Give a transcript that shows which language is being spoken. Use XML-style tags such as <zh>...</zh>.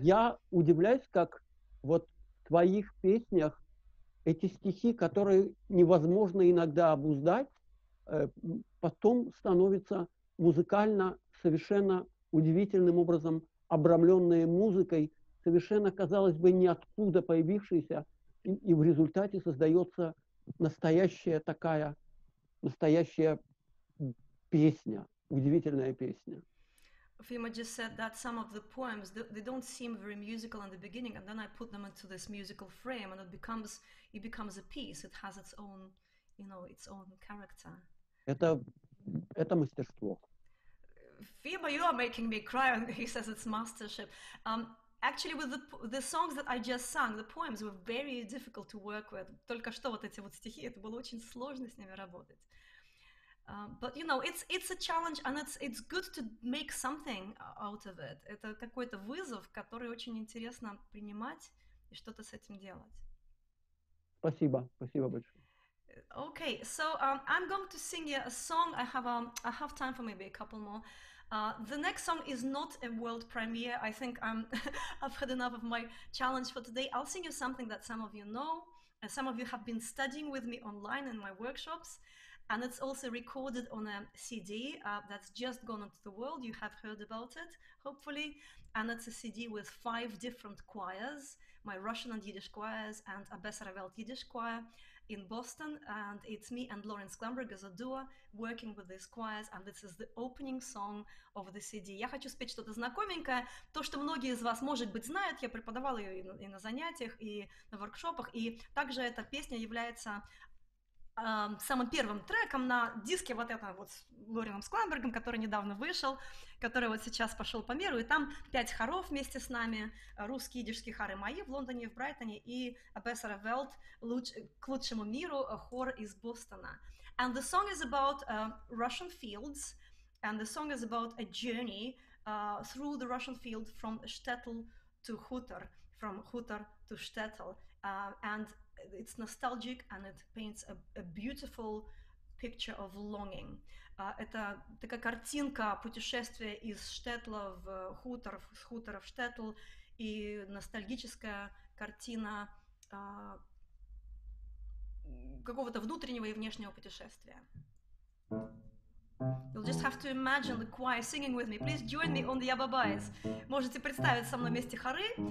<ru>Я удивляюсь, как вот в твоих песнях эти стихи, которые невозможно иногда обуздать, потом становятся музыкально совершенно удивительным образом обрамленные музыкой, совершенно, казалось бы, ниоткуда появившейся, и в результате создается настоящая такая, настоящая песня, удивительная песня.</ru> <en>Fima just said that some of the poems, they don't seem very musical in the beginning, and then I put them into this musical frame, and it becomes a piece. It has its own, you know, its own character.</en> <ru>Это мастерство.</ru> <en>Fima, you are making me cry, and he says it's mastership. Actually, with the songs that I just sung, the poems were very difficult to work with.</en> <ru>Только что вот эти вот стихи, это было очень сложно с ними работать.</ru> <en>But you know, it's a challenge, and it's good to make something out of it.</en> <ru>Это какой-то вызов, который очень интересно принимать и что-то с этим делать. Спасибо большое.</ru> <en>Okay, so I'm going to sing you a song. I have time for maybe a couple more. The next song is not a world premiere. I think I've had enough of my challenge for today. I'll sing you something that some of you know, and some of you have been studying with me online in my workshops. And it's also recorded on a CD that's just gone into the world. You have heard about it, hopefully. And it's a CD with 5 different choirs, my Russian and Yiddish choirs and a Besaravelt Yiddish choir in Boston. And it's me and Lawrence Glamberg as a duo working with these choirs. And this is the opening song of the CD.</en> <ru>Я хочу спеть что-то знакоменькое. То, что многие из вас, может быть, знают, я преподавала ее и на занятиях, и на воркшопах. И также эта песня является самым первым треком на диске вот этого вот с Лорином Скламбергом, который недавно вышел, который вот сейчас пошел по миру, и там 5 хоров вместе с нами, русские идишские хоры мои в Лондоне и в Брайтоне, и Абессера Велт, к лучшему миру, хор из Бостона.</ru> <en>And the song is about Russian fields, and the song is about a journey through the Russian field from shtetl to хутор, from хутор to shtetl, and it's nostalgic and it paints a beautiful picture of longing.</en> <ru>Это такая картинка путешествия из штетла в хутор, с хутора в штетл, и ностальгическая картина какого-то внутреннего и внешнего путешествия.</ru> <en>You'll just have to imagine the choir singing with me. Please join me on the Ababais.</en> <ru>Можете представить со мной вместе хоры.</ru>